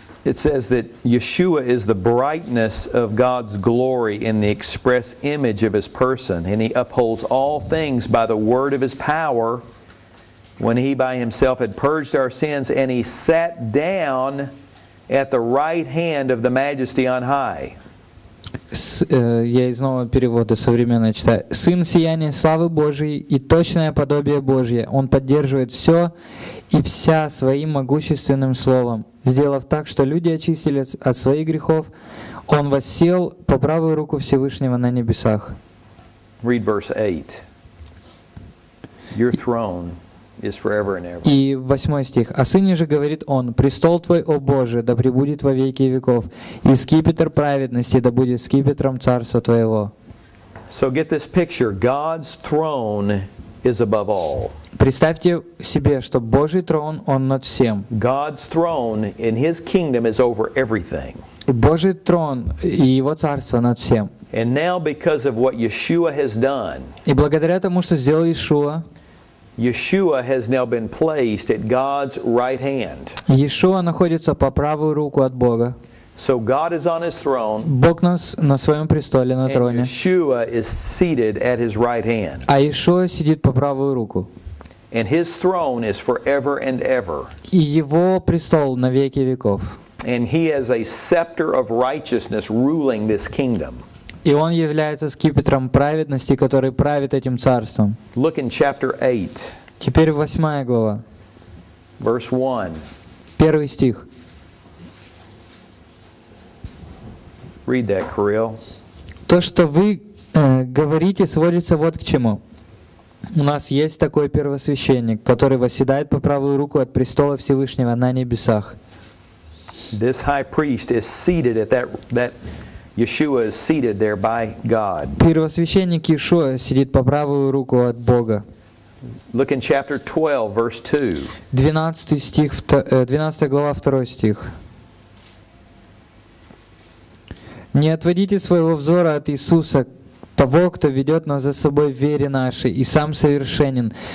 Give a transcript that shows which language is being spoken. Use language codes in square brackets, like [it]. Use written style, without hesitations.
[en] It says that Yeshua is the brightness of God's glory in the express image of His person, and He upholds all things by the word of His power, when He by Himself had purged our sins, and He sat down at the right hand of the Majesty on high. [ru] Я из нового перевода современно читаю. Сын сияния славы Божией и точное подобие Божье. Он поддерживает все и вся своим могущественным словом, сделав так, что люди очистились от своих грехов. Он воссел по правую руку Всевышнего на небесах. [en] Read verse 8. Your throne is forever and ever. [ru] И 8 стих. О Сыне же говорит Он: престол Твой, о Боже, да пребудет во веки веков, и скипетр праведности да будет скипетром Царства Твоего. [en] So get this picture. God's throne is above all. [ru] Представьте себе, что Божий трон, Он над всем. [en] God's throne in His kingdom is over everything. [ru] Божий трон и Его царство над всем. [en] And now because of what Yeshua has done, [ru] и благодаря тому, что сделал Иешуа, [en] Yeshua has now been placed at God's right hand. [ru] Иешуа находится по правую руку от Бога. [en] So God is on His throne. [ru] Бог на своем престоле, на троне. [en] And Yeshua is seated at His right hand. [ru] А Иешуа сидит по правую руку. [en] And His throne is forever and ever. [ru] И Его престол на веки веков. [en] And He has a scepter of righteousness ruling this kingdom. [ru] И Он является скипетром праведности, который правит этим царством. [en] Look in chapter 8. [ru] Теперь 8 глава. [en] Verse 1. [ru] Первый стих. [en] Read that, Kirill. [ru] То, что вы говорите, сводится вот к чему. У нас есть такой первосвященник, который восседает по правую руку от престола Всевышнего на небесах. [en] This high priest is seated at that Yeshua is seated there by God. [ru] Первосвященник Иешуа сидит по правую руку от Бога. [en] Look in chapter 12, verse 2. [ru] 12 стих, 12 глава, 2 стих. Не отводите своего взора от Иисуса, того, кто ведет нас за собой в вере нашей и сам совершенен.